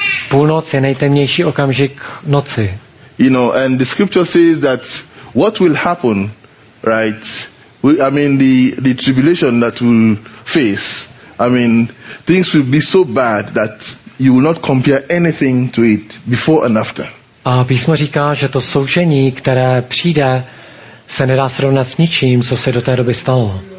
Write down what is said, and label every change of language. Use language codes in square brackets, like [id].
[cs] Půlnoc je nejtemnější okamžik noci. [en] You know, and the scripture says that what will happen, right? The tribulation that we'll face. I mean, things will be so bad that you will not compare anything to it before and after. [cs] A písmo říká, že to soužení, které přijde, se nedá srovnat s ničím, co se do té doby stalo.